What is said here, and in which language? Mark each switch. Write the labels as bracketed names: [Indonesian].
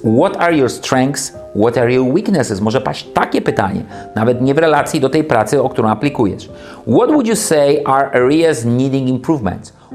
[English] What are your strengths? What are your weaknesses? [Polish] Może paść takie pytanie, nawet nie w relacji do tej pracy, o którą aplikujesz. [English] What would you say are areas needing improvements?